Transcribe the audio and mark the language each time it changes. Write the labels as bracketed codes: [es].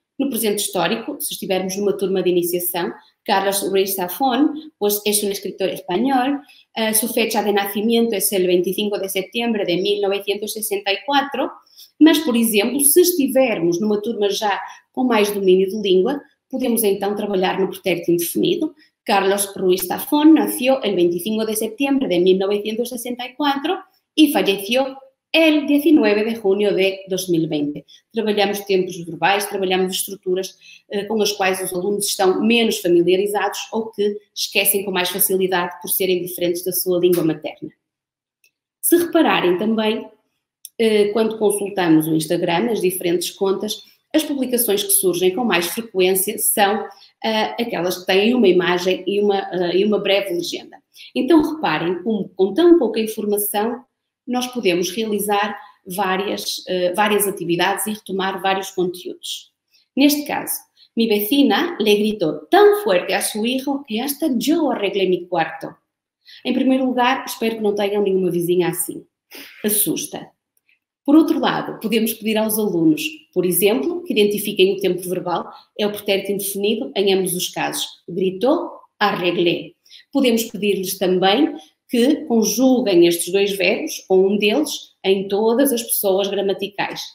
[pt] No presente histórico, se estivermos numa turma de iniciação, Carlos Ruiz Zafón, pois é um escritor espanhol, sua fecha de nascimento é o 25 de setembro de 1964, mas, por exemplo, se estivermos numa turma já com mais domínio de língua, podemos então trabalhar no pretérito indefinido. [es] Carlos Ruiz Zafón nació el 25 de septiembre de 1964 y falleció el 19 de junio de 2020. [pt] Trabalhamos tempos verbais, trabalhamos estruturas com as quais os alunos estão menos familiarizados ou que esquecem com mais facilidade por serem diferentes da sua língua materna. Se repararem também, quando consultamos o Instagram, as diferentes contas, as publicações que surgem com mais frequência são aquelas que têm uma imagem e uma breve legenda. Então, reparem como, com tão pouca informação, nós podemos realizar várias atividades e retomar vários conteúdos. Neste caso, [es] mi vecina le gritó tão fuerte a su hijo que hasta yo arreglé mi cuarto. [pt] Em primeiro lugar, espero que não tenham nenhuma vizinha assim. Assusta. Por outro lado, podemos pedir aos alunos, por exemplo, que identifiquem o tempo verbal, é o pretérito indefinido em ambos os casos. Gritou, arreglé. Podemos pedir-lhes também que conjuguem estes dois verbos, ou um deles, em todas as pessoas gramaticais.